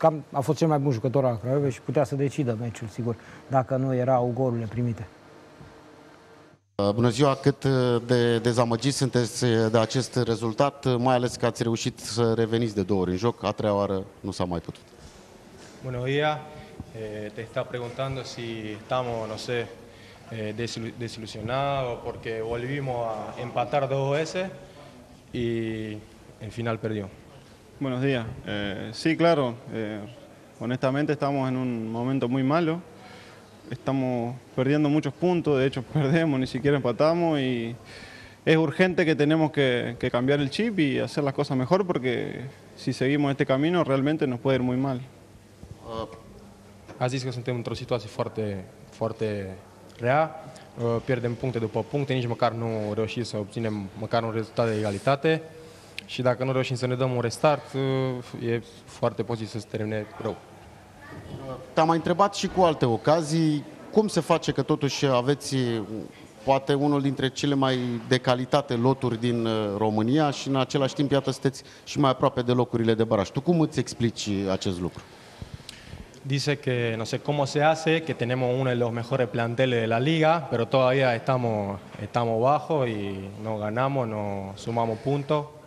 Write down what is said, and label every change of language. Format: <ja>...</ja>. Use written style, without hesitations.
<ro>A fost cel mai bun jucător al Craiovei și putea să decidă meciul, sigur, dacă nu erau golurile primite. Bună ziua! Cât de dezamăgit sunteți de acest rezultat, mai ales că ați reușit să reveniți de 2 ori în joc, a treia oară nu s-a mai putut. Bună ziua!</ro> <es>Te sta preguntando si estamos, no sé, desilusionado porque volvimos a empatar 2-2 y en final perdió. Buenos días. Sí, claro. Honestamente estamos en un momento muy malo. Estamos perdiendo muchos puntos. De hecho, perdemos, ni siquiera empatamos. Y es urgente que tenemos que cambiar el chip y hacer las cosas mejor porque si seguimos este camino realmente nos puede ir muy mal.</es> <ro>A zis că suntem într-o situație foarte, foarte rea. Pierdem puncte după puncte, nici măcar nu reușim să obținem măcar un rezultat de egalitate. Și dacă nu reușim să ne dăm un restart, e foarte posibil să se termine rău. Te-am mai întrebat și cu alte ocazii. Cum se face că totuși aveți poate unul dintre cele mai de calitate loturi din România și în același timp, iată, sunteți și mai aproape de locurile de baraj. Tu cum îți explici acest lucru?</ro> <es>Dice que no sé cómo se hace, que tenemos uno de los mejores planteles de la liga, pero todavía estamos bajo y no ganamos, no sumamos puntos.</es>